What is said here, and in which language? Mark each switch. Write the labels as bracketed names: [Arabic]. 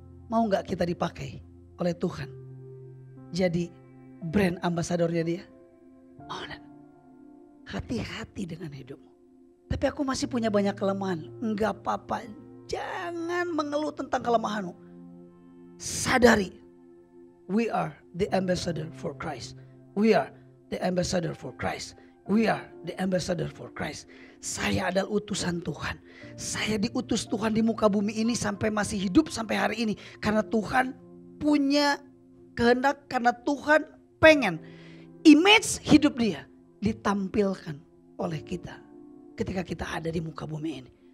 [Indonesian] Mau gak kita dipakai oleh Tuhan jadi brand ambasadornya dia? Mau gak? Hati-hati dengan hidupmu. Tapi aku masih punya banyak kelemahan. Enggak apa-apa. Jangan mengeluh tentang kelemahanmu. Sadari. [English] We are the ambassador for Christ. We are the ambassador for Christ. We are the ambassador for Christ. [Indonesian] Saya adalah utusan Tuhan. Saya diutus Tuhan di muka bumi ini sampai masih hidup sampai hari ini. Karena Tuhan punya kehendak, karena Tuhan pengen image hidup dia ditampilkan oleh kita ketika kita ada di muka bumi ini.